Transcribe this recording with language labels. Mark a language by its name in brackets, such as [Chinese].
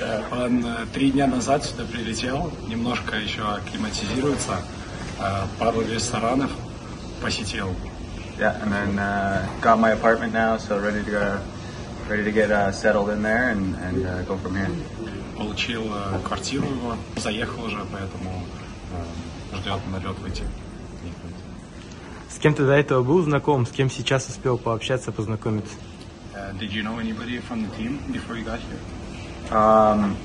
[Russian] Он 3 дня назад сюда прилетел, немножко еще акклиматизируется, пару ресторанов посетил. [English] Yeah, and then got my apartment now, so ready to get settled in there and go from here. [Russian] Получил квартиру его, заехал уже, поэтому ждет налет выйти. С кем ты до этого был знаком, с кем сейчас успел пообщаться, познакомиться? [English] Did you know anybody from the team before you got here?